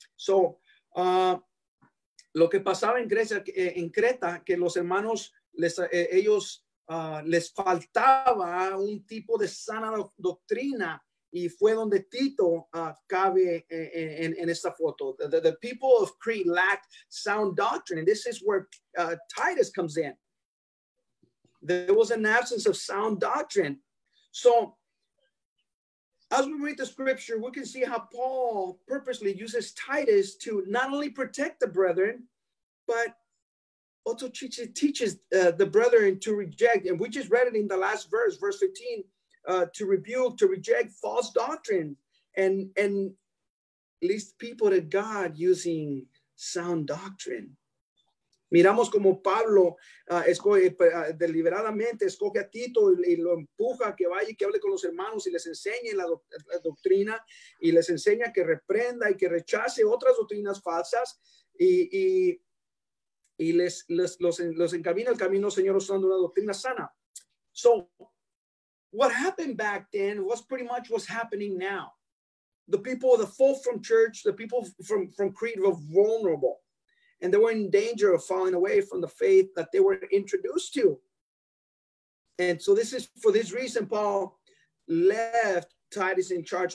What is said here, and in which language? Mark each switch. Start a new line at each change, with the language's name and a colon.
Spanish: So, lo que pasaba en Grecia, en Creta, que los hermanos, les faltaba un tipo de sana doctrina, y fue donde Tito cabe en esta foto.
English: The people of Crete lacked sound doctrine, and this is where Titus comes in. There was an absence of sound doctrine. So, as we read the scripture, we can see how Paul purposely uses Titus to not only protect the brethren, but also teaches the brethren to reject, and we just read it in the last verse, verse 15, to rebuke, to reject false doctrine, and lead people to God using sound doctrine.
Spanish: Miramos como Pablo deliberadamente escoge a Tito y lo empuja a que vaya y que hable con los hermanos y les enseñe la doctrina, y les enseña que reprenda y que rechace otras doctrinas falsas, y los encamina el camino, Señor, usando una doctrina sana.
English: So, what happened back then was pretty much what's happening now. The people, the folk from church, the people from Crete were vulnerable. And they were in danger of falling away from the faith that they were introduced to. And so this is for this reason Paul left Titus in charge.